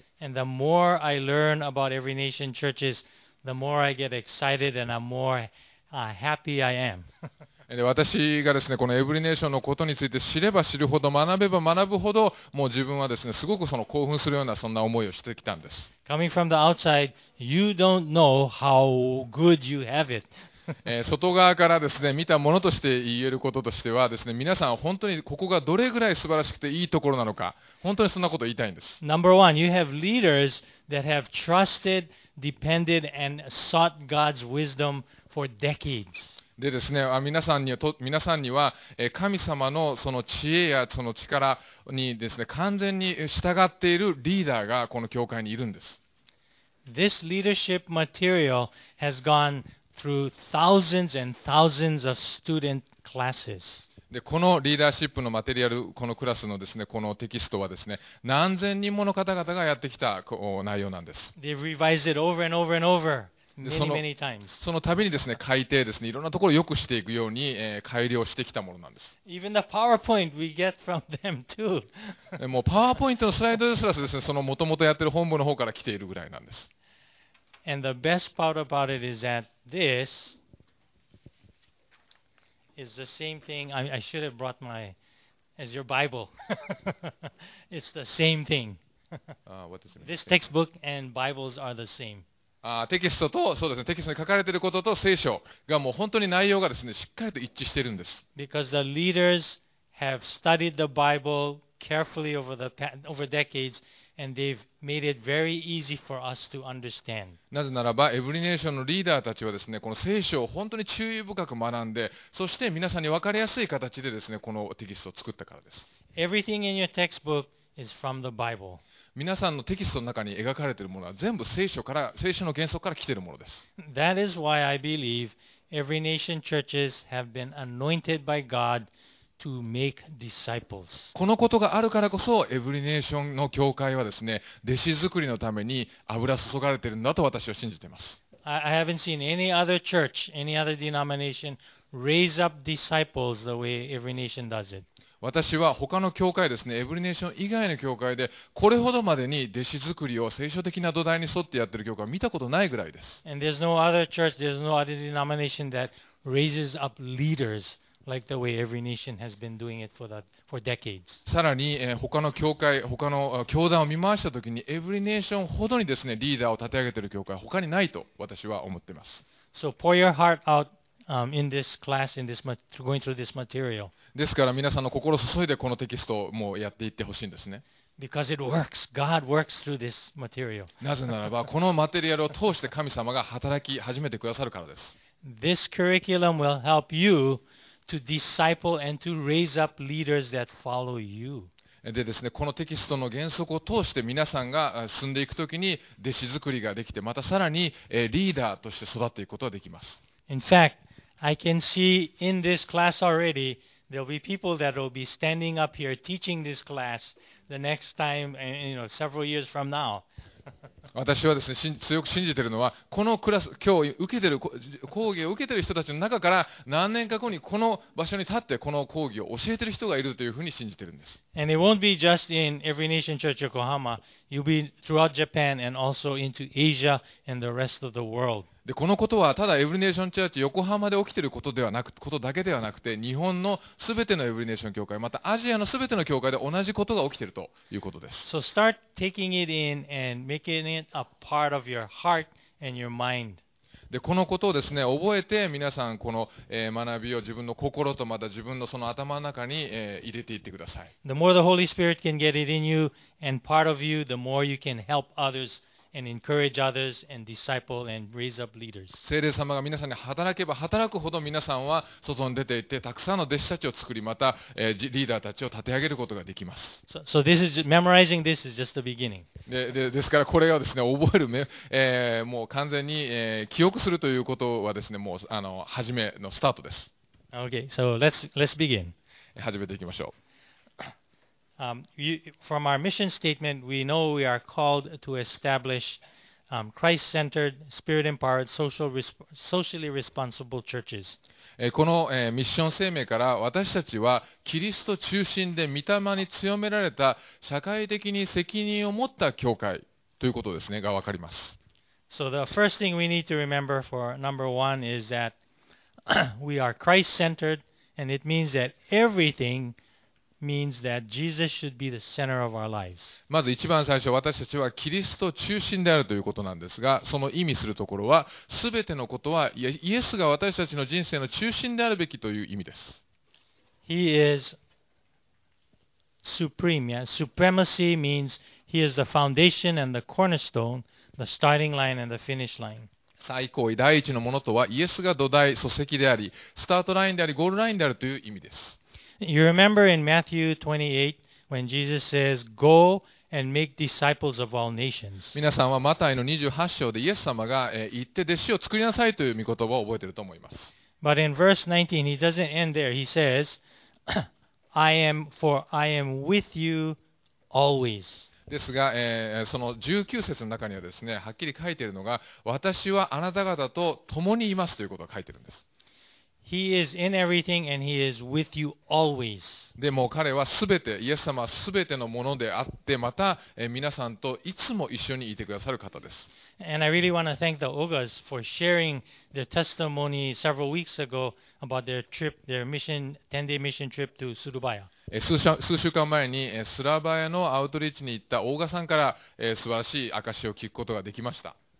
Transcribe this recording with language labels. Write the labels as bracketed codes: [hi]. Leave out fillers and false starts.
[en] And the more I learn about Every Nation churches, the more I get excited and I'm more happy I am. [ja] で私がですね、このEvery Nationのことについて知れば知るほど、学べば学ぶほど、もう自分はですね、すごくその興奮するような、そんな思いをしてきたんです。 [en] Coming from the outside, you don't know how good you have it. [ja] 外側からですね、見たものとして言えることとしてはですね、皆さん本当にここがどれぐらい素晴らしくていいところなのか、本当にそんなことを言いたいんです。 [en] Number one, you have leaders that have trusted, depended, and sought God's wisdom for decades. [ja] でですね、皆さんには神様のその知恵やその力にですね、完全に従っているリーダーがこの教会にいるんです。 [en] This leadership material has gone through thousands and thousands of student classes. [ja] でこのリーダーシップのマテリアル、このクラスのですね、このテキストはですね、何千人もの方々がやってきた内容なんです。 [en] They've revised it over and over and over [ja] その度にですね、改訂ですね、いろんなところをよくしていくように、改良してきたものなんです。 [en] Even the PowerPoint we get from them too. [ja] もうパワーポイントのスライドですらですね、そのもともとやってる本部の方から来ているぐらいなんです。 [en] And the best part about it is that this is the same thing. I should have brought my as your Bible. It's the same thing. What does it mean? This textbook and Bibles are the same. [ja] テキストと、そうですね、テキストに書かれていることと聖書がもう本当に内容がですね、しっかりと一致しているんです。 [en] Because the leaders have studied the Bible carefully over decades and they've made it very easy for us to understand. [ja] なぜならば、Every Nationのリーダーたちはですね、この聖書を本当に注意深く学んで、そして皆さんに分かりやすい形でですね、このテキストを作ったからです。 [en] Everything in your textbook is from the Bible. [ja] 皆さんのテキストの中に描かれているものは全部聖書から、聖書の原則から来ているものです。 [en] That is why I believe Every Nation churches have been anointed by God to make disciples. [ja] このことがあるからこそ、Every Nationの教会はですね、弟子作りのために油注がれているんだと私は信じています。 [en] I haven't seen any other church, any other denomination raise up disciples the way Every Nation does it. [ja] 私は他の教会ですね、Every Nation以外の教会で、これほどまでに弟子作りを聖書的な土台に沿ってやってる教会は見たことないぐらいです。 [en] And there's no other church, there's no other denomination that raises up leaders like the way Every Nation has been doing it for decades. [ja] さらに、他の教会、他の教団を見回したときに、Every Nation ほどにですね、リーダーを立て上げてる教会は他にないと私は思っています。 [en] So pour your heart out. In this class, in this going through this material. [ja] ですから皆さんの心を注いでこのテキストをもうやっていってほしいんですね。 [en] Because it works, God works through this material. [ja] なぜならばこのマテリアルを通して神様が働き始めてくださるからです。 [en] This curriculum will help you to disciple and to raise up leaders that follow you. [ja] でですね、このテキストの原則を通して皆さんが進んでいくときに弟子作りができて、またさらにリーダーとして育っていくことができます。 [en] In fact, I can see in this class already, there'll be people that will be standing up here teaching this class the next time, you know, several years from now. [ja] 私はですね、強く信じているのは、このクラス、今日受けている講義を受けている人たちの中から、何年か後にこの場所に立って、この講義を教えている人がいるというふうに信じているんです。 [en] And it won't be just in Every Nation Church Yokohama. You'll be throughout Japan and also into Asia and the rest of the world. [ja] で、このことはただ Every Nation Church Yokohama で起きていることではなく、ことだけではなくて、日本のすべての Every Nation 教会、またアジアのすべての教会で同じことが起きているということです。 [en] So start taking it in and making it a part of your heart and your mind. [ja] でこのことをですね、覚えて皆さんこの、学びを自分の心とまた自分のその頭の中に、入れていってください。 [en] The more the Holy Spirit can get it in you and part of you, the more you can help others and encourage others and disciple and raise up leaders. [ja] 聖霊様が皆さんに働けば働くほど皆さんは外に出ていってたくさんの弟子たちを作り、また、リーダーたちを立て上げることができます。 [en] So this is memorizing this is just the beginning. [ja] ですからこれはですね、覚えるもう完全に、記憶するということはですね、もう初めのスタートです。 [en] Okay, so let's begin. [ja] 始めていきましょう。 [en] From our mission statement, we know we are called to establish Christ-centered, Spirit-empowered, socially responsible churches. [ja] このミッション声明から私たちはキリスト中心で御霊に強められた社会的に責任を持った教会ということですねが分かります。 [en] So the first thing we need to remember for number one is that we are Christ-centered, and it means that everything. Means that Jesus should be the center of our lives. [ja] まず一番最初、私たちはキリスト中心であるということなんですが、その意味するところは、すべてのことはイエスが私たちの人生の中心であるべきという意味です。 [en] He is supreme. Yeah? Supremacy means he is the foundation and the cornerstone, the starting line and the finish line. [ja] 最高位、第一のものとはイエスが土台、礎石であり、スタートラインであり、ゴールラインであるという意味です。 [en] You remember in Matthew 28 when Jesus says, "Go and make disciples of all nations." [ja] 皆さんはマタイの28章でイエス様が行って弟子を作りなさいという御言葉を覚えていると思います。 [en] But in verse 19, he doesn't end there. He says, "I am with you always." [ja] ですが、その19節の中にはですね、はっきり書いているのが、私はあなた方と共にいますということが書いているんです。 [en] He is in everything and he is with you always. [ja] でも彼はすべて、イエス様はすべてのものであって、また皆さんといつも一緒にいてくださる方です。 [en] And I really want to thank the Ogas for sharing their testimony several weeks ago about their trip, their mission, 10-day mission trip to Surabaya. [ja] 数週間前にスラバヤのアウトリーチに行ったオーガさんから素晴らしい証を聞くことができました。